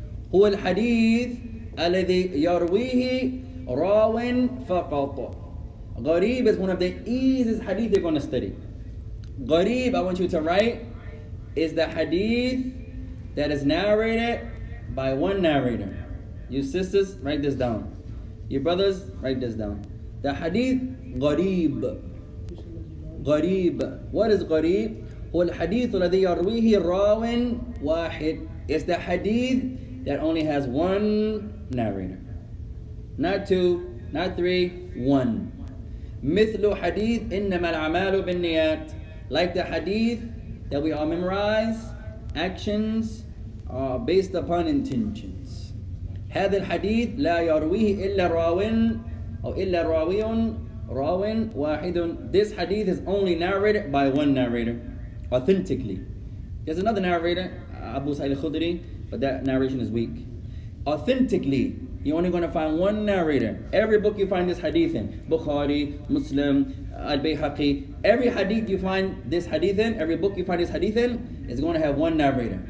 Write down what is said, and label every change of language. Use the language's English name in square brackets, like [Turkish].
[Arabic] هو الحديث الذي يرويه راو فقط. [English] غريب is one of the easiest hadith they're going to study. غريب, I want you to write, is the hadith that is narrated by one narrator. You sisters, write this down. You brothers, write this down. The hadith غريب. غريب. What is غريب? [Arabic] هو الحديث الذي يرويه راو واحد. [English] It's the hadith that only has one narrator. Not two, not three, one. [Arabic] مثل حديث إنما الأعمال بالنيات. [English] Like the hadith that we all memorize, actions are based upon intentions. [Arabic] هذا الحديث لا يرويه إلا راوٍ أو إلا راويٌ راوٍ واحدٌ. [English] This hadith is only narrated by one narrator, authentically. There's another narrator, Abu Sa'id al-Khudri, but that narration is weak. Authentically, you're only going to find one narrator. Every book you find this hadith in, Bukhari, Muslim, Al-Bayhaqi, every hadith you find this hadith in, every book you find this hadith in, is going to have one narrator.